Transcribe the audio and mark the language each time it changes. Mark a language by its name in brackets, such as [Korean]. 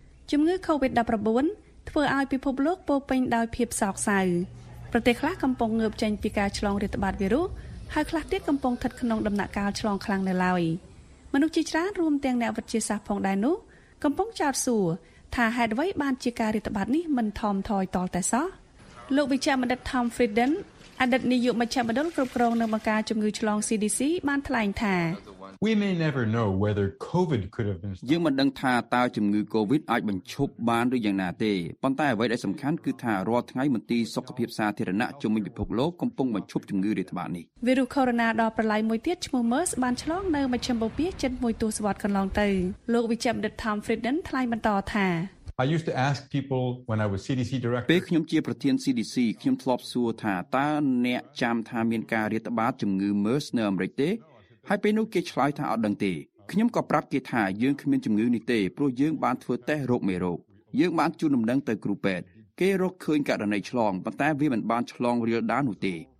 [Khmer] ជំងឺ COVID-19 ធ្វើឲ្យពិភពលោកពោរពេញដោយភាពសោកសៅប្រទេសខ្លះកំពុងងើបចេញពីការឆ្លងរាតត្បាតវីរុសហើយខ្លះទៀតកំពុងស្ថិតក្នុងដំណាក់កាលឆ្លងខ្លាំងនៅឡើយមនុស្សជាច្រើនរួមទាំងអ្នកវិទ្យាសាស្ត្រផងដែរនោះកំពុងចោទសួរថាហេតុអ្វីបានជាការរាតត្បាតនេះមិនថមថយតតែសោះលោកវិជ្ជាបណ្ឌិត Tom Frieden អតីតនាយកមជ្ឈមណ្ឌលគ្រប់គ្រងនៅមកការជំងឺឆ្លង CDC បានថ្លែងថា [English] We may never know whether COVID could have been [Khmer] យើងមិនដឹងថាតើជំងឺ COVID អាចបញ្ឈប់បានឬយ៉ាងណាទេប៉ុន្តែអ្វីដែលសំខាន់គឺថារាល់ថ្ងៃមន្ទីរសុខភាពសាធារណៈជុំវិញពិភពលោកកំពុងបញ្ឈប់ជំងឺរាតត្បាតនេះ វីរុសកូវីដដល់ប្រឡាយមួយទៀតឈ្មោះ MERS បានឆ្លងនៅមជ្ឈមណ្ឌលពេទ្យ71ទន្លងទៅលោកវិជ្ជបណ្ឌិត Tom Frieden ថ្លែងបន្តថា [English] I used to ask people when I was CDC director [Khmer] ពេលខ្ញុំជាប្រធាន CDC ខ្ញុំធ្លាប់សួរថាតើអ្នកចាំថាមានការរាតត្បាតជំងឺ MERS នៅអាមេរិកទេហើយពេលនោះគេឆ្លើយថាអត់ដឹងទេខ្ញុំក៏ប្រាប់គេថាយើងគ្មានជំងឺនេះទេព្រោះយើងបានធ្វើតេស្តរោគមេរោគយើងបានជូនដំណឹងទៅគ្រូពេទ្យគេរកឃើញករណីឆ្លងប៉ុន្តែវាមិនបានឆ្លងរាលដាលនោះទេ